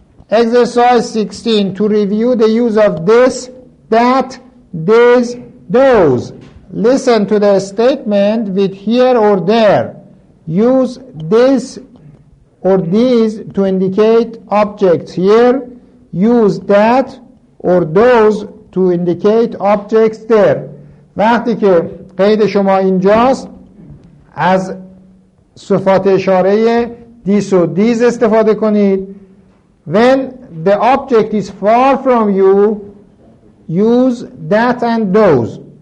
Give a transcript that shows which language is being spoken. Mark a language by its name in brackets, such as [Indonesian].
[English] Exercise 16 to review the use of this, that, these, those. Listen to the statement with here or there. Use this or these to indicate objects here. Use that or those to indicate objects there. [Persian] وقتی که قید شما اینجاست از صفات اشاره this or these استفاده کنید. [English] When the object is far from you, use that and those.